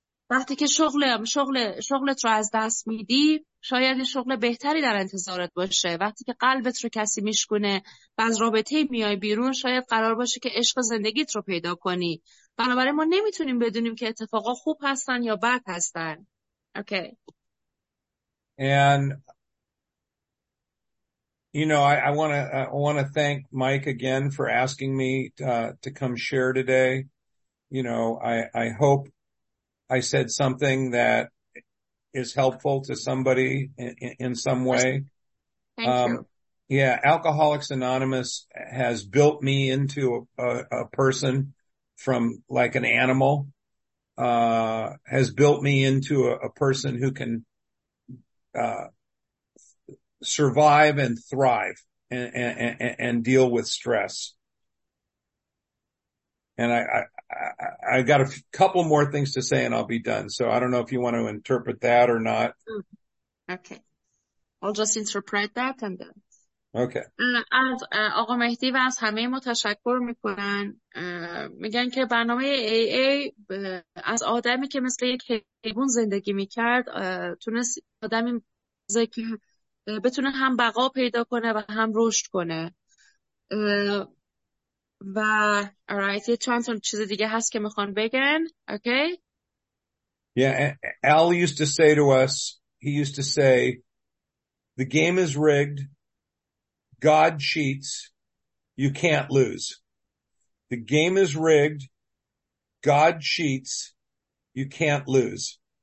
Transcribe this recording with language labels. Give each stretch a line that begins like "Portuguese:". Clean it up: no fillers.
Persian: وقتی که شغلت رو از دست میدی، شاید شغل بهتری در انتظارت باشه. وقتی که قلبت رو کسی میشکونه و از رابطه میای بیرون، شاید قرار باشه که عشق زندگیت رو پیدا کنی. بنابراین ما نمیتونیم بدونیم که اتفاقا خوب هستن یا بد هستن.
English: Okay. And you know, I want to thank Mike again for asking me to come share today. You know, I hope I said something that is helpful to somebody in some way. Thank you. Yeah, Alcoholics Anonymous has built me into a person from like an animal. Has built me into a person who can survive and thrive and deal with stress. And I got a couple more things to say and I'll be done. So I don't know if you want to interpret that or not. Okay. I'll just interpret that and then.
Persian: از آقا مهدی و از همه ما تشکر میکنن. میگن که برنامه AA از آدمی که مثل یک حیوان زندگی میکرد تونست آدمی که بتونه هم بقا پیدا کنه و هم رشد کنه. و
English: alright,
Persian: یه چند تا چیز دیگه هست که میخوان بگن.
English: Okay. Yeah, Al used to say to us, he used to say, the game is rigged, God cheats, you can't lose. The game is rigged, God cheats, you can't lose.